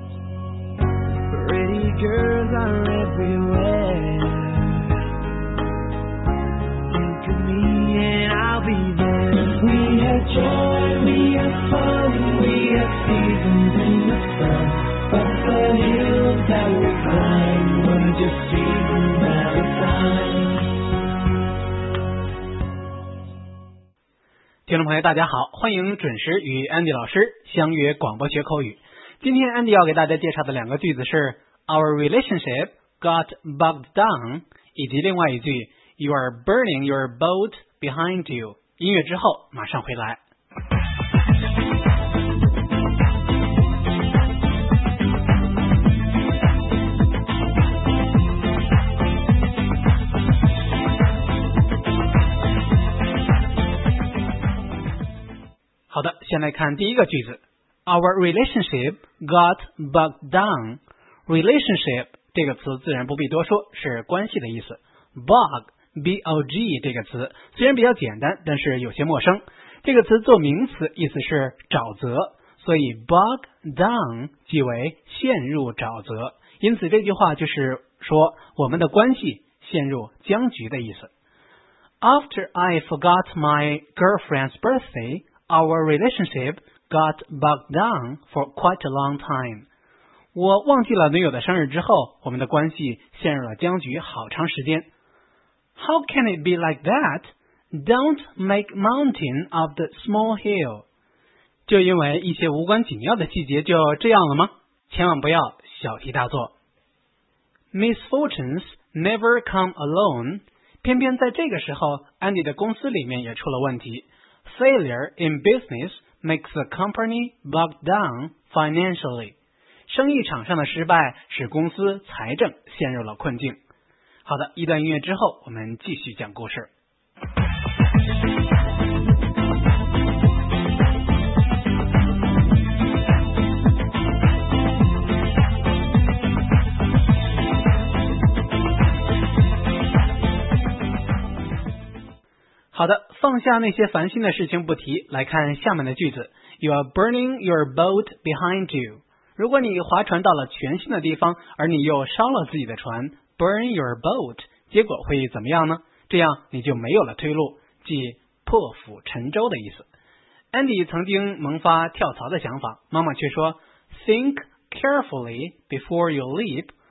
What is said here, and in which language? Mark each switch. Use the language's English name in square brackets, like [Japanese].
[English] Think of me and I'll be there. We have joy, we have fun, we have seasons in the sun. But the hills that we climb were just seasons out of time. [Chinese] 听众朋友大家好，欢迎准时与 Andy 老师相约广播学口语。今天 Andy 要给大家介绍的两个句子是 [English] Our relationship got bogged down [Chinese] 以及另外一句 [English] You are burning your boat behind you。 [Chinese] 音乐之后马上回来。好的，先来看第一个句子。 [English] Our relationship got bogged down。 [Chinese] Relationship 这个词自然不必多说，是关系的意思。 Bog B-O-G 这个词虽然比较简单，但是有些陌生。这个词做名词意思是沼泽，所以 bog down 即为陷入沼泽，因此这句话就是说我们的关系陷入僵局的意思。 [English] After I forgot my girlfriend's birthday,Our relationship got bogged down for quite a long time. [Chinese] 我忘记了女友的生日之后，我们的关系陷入了僵局好长时间。 [English] How can it be like that? Don't make mountain of the small hill. [Chinese] 就因为一些无关紧要的细节就这样了吗？千万不要小题大做。 [English] Misfortunes never come alone. [Chinese] 偏偏在这个时候，安迪的公司里面也出了问题。 [English] Failure in business makes the company bogged down financially. [Chinese] 生意场上的失败使公司财政陷入了困境。好的，一段音乐之后，我们继续讲故事。好的，放下那些烦心的事情不提，来看下面的句子。 [English] You are burning your boat behind you. [Chinese] 如果你划船到了全新的地方，而你又烧了自己的船， [English] burn your boat， [Chinese] 结果会怎么样呢？这样你就没有了退路，即破釜沉舟的意思。 Andy 曾经萌发跳槽的想法，妈妈却说 [English] Think carefully before you leap.